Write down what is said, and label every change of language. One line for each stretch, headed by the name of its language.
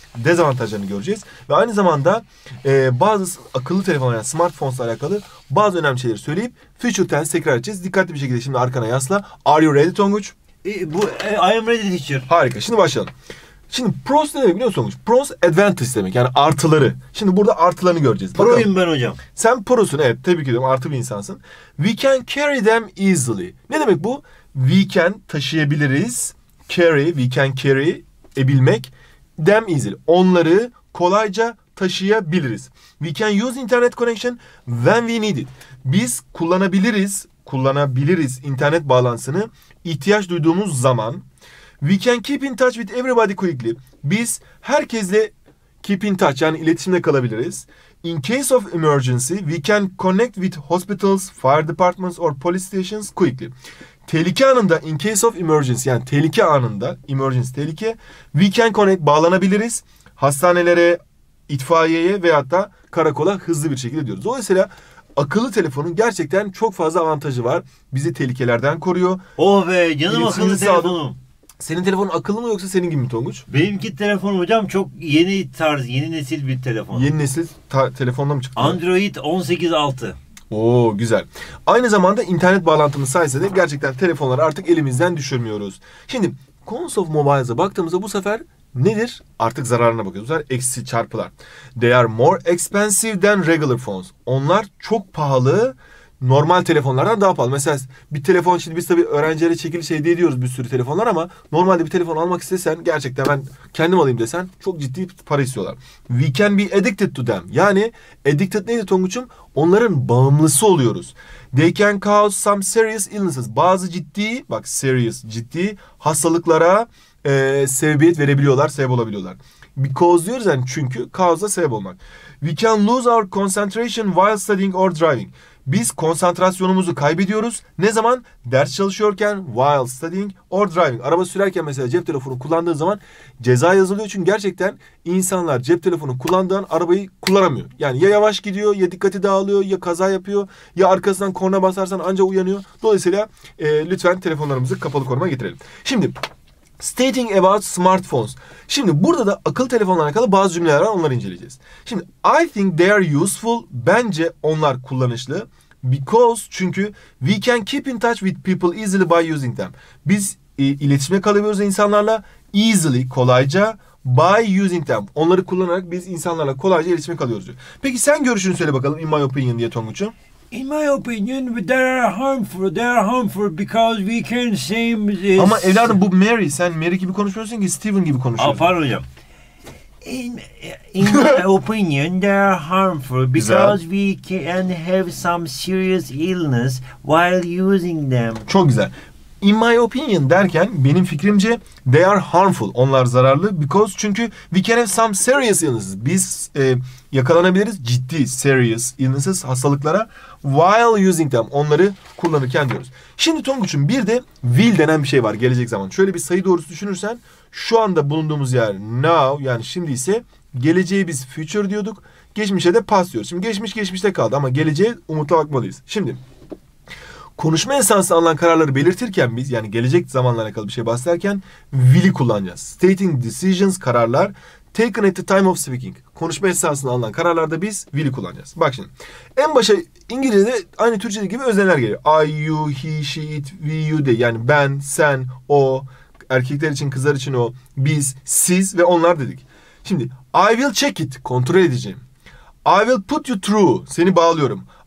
Turkish: Dezavantajlarını göreceğiz. Ve aynı zamanda bazı akıllı telefonlar, yani smartphones ile alakalı bazı önemli şeyleri söyleyip future tense tekrar edeceğiz. Dikkatli bir şekilde şimdi arkana yasla.
English: Are you ready Tonguç? I am ready teacher.
Turkish: Harika. Şimdi başlayalım. Şimdi pros ne demek biliyor musun? Pros advantage demek. Yani artıları. Şimdi burada artılarını göreceğiz. Proyum ben hocam. Sen prosun. Evet, tebrik ediyorum. Artı bir insansın.
English: We can carry them easily.
Turkish: Ne demek bu?
English: We can
Turkish: taşıyabiliriz.
English: Carry, we can carry
Turkish: ebilmek.
English: Them easily.
Turkish: Onları kolayca taşıyabiliriz.
English: We can use internet connection when we need it.
Turkish: Biz kullanabiliriz internet bağlantısını ihtiyaç duyduğumuz zaman.
English: We can keep in touch with everybody quickly.
Turkish: Biz herkesle
English: keep in touch,
Turkish: yani iletişimde kalabiliriz.
English: In case of emergency, we can connect with hospitals, fire departments or police stations quickly.
Turkish: Tehlike anında,
English: in case of emergency,
Turkish: yani tehlike anında, emergency tehlike,
English: we can connect,
Turkish: bağlanabiliriz. Hastanelere, itfaiyeye veyahut da karakola hızlı bir şekilde diyoruz. Dolayısıyla akıllı telefonun gerçekten çok fazla avantajı var. Bizi tehlikelerden koruyor. Oh be, canım akıllı telefonum. Senin telefonun akıllı mı yoksa senin gibi mi Tonguç? Benimki telefonum hocam çok yeni tarz, yeni nesil bir telefon. Yeni nesil telefonla mı çıktı? Android 18.6. Oo güzel. Aynı zamanda internet bağlantımız sayesinde gerçekten telefonları artık elimizden düşürmüyoruz. Şimdi cons of mobiles'a baktığımızda bu sefer nedir? Artık zararına bakıyoruz. Bu sefer eksi çarpılar.
English: They are more expensive than regular phones.
Turkish: Onlar çok pahalı. Normal telefonlardan daha pahalı. Mesela bir telefon, şimdi biz tabii öğrencilere çekiliş hediye ediyoruz bir sürü telefonlar ama normalde bir telefon almak istesen, gerçekten ben kendim alayım desen çok ciddi para istiyorlar.
English: We can be addicted to them.
Turkish: Yani addicted neydi Tonguç'um? Onların bağımlısı oluyoruz.
English: They can cause some serious illnesses.
Turkish: Bazı ciddi, bak serious, ciddi hastalıklara sebebiyet verebiliyorlar, sebep olabiliyorlar. Because diyoruz yani çünkü, cause'a sebep olmak.
English: We can lose our concentration while studying or driving.
Turkish: Biz konsantrasyonumuzu kaybediyoruz. Ne zaman? Ders çalışıyorken,
English: while studying or driving.
Turkish: Araba sürerken mesela cep telefonu kullandığın zaman ceza yazılıyor. Çünkü gerçekten insanlar cep telefonu kullandığı an arabayı kullanamıyor. Yani ya yavaş gidiyor, ya dikkati dağılıyor, ya kaza yapıyor, ya arkasından korna basarsan anca uyanıyor. Dolayısıyla lütfen telefonlarımızı kapalı koruma getirelim. Şimdi
English: stating about smartphones.
Turkish: Şimdi burada da akıllı telefonlarla alakalı bazı cümleler var, onları inceleyeceğiz. Şimdi
English: I think they are useful.
Turkish: Bence onlar kullanışlı.
English: Because,
Turkish: çünkü
English: we can keep in touch with people easily by using them.
Turkish: Biz iletişime kalabiliyoruz insanlarla easily, kolayca,
English: by using them.
Turkish: Onları kullanarak biz insanlarla kolayca iletişime kalıyoruz diyor. Peki sen görüşünü söyle bakalım,
English: in my opinion
Turkish: diye Tonguç'um.
English: In my opinion, they are harmful because we can same this.
Turkish: Ama evladım bu Mary, sen Mary gibi konuşmuyorsun ki Steven gibi konuşuyorsun. Pardon hocam.
English: In my opinion, they are harmful because we can have some serious illness while using them.
Turkish: Çok güzel.
English: In my opinion
Turkish: derken benim fikrimce
English: they are harmful.
Turkish: Onlar zararlı.
English: Because
Turkish: çünkü
English: we can have some serious illnesses.
Turkish: Biz yakalanabiliriz ciddi
English: serious illnesses
Turkish: hastalıklara
English: while using them.
Turkish: Onları kullanırken diyoruz. Şimdi Tonguç'un bir de will denen bir şey var gelecek zaman. Şöyle bir sayı doğrusu düşünürsen şu anda bulunduğumuz yer now yani şimdi ise geleceği biz future diyorduk. Geçmişe de past diyoruz. Şimdi geçmiş geçmişte kaldı ama geleceğe umutla bakmalıyız. Şimdi konuşma esnasında alınan kararları belirtirken biz yani gelecek zamanlarla alakalı bir şey bahsederken will'i kullanacağız.
English: Stating decisions
Turkish: kararlar
English: taken at the time of speaking.
Turkish: Konuşma esnasında alınan kararlarda biz will'i kullanacağız. Bak şimdi en başa İngilizce'de aynı Türkçe'de gibi özneler geliyor.
English: I, you, he, she, it, we, you, they.
Turkish: Yani ben, sen, o, erkekler için, kızlar için o, biz, siz ve onlar dedik. Şimdi
English: I will check it.
Turkish: Kontrol edeceğim.
English: I will put you through.
Turkish: Seni bağlıyorum.